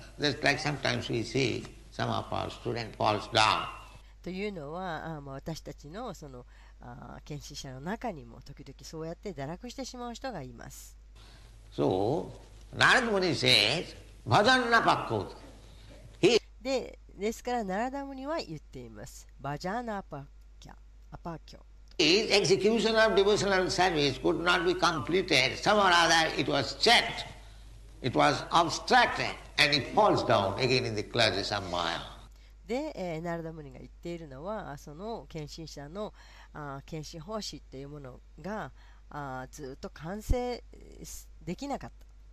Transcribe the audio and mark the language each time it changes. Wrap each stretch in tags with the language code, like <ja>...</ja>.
<en>like、sometimes we see some of our students falls down.</en> <ja>というのは私たち の、 その研修者の中にも時々そうやって堕落してしまう人がいます。</ja> <en>So Narada Muni says Bhajanna Pakkhuta</en> <ja>で、 ですからナラダムニは言っています。バジャーナアパキャ、アパキョ。</ja> <en>His execution of devotional service could not be completed. Some or other it was checked. It was obstructed and it falls down again in the clergy samaya.</en> <ja>で、ナラダムニが言っているのは、その献身者の献身奉仕というものがずっと完成できなかった。</ja>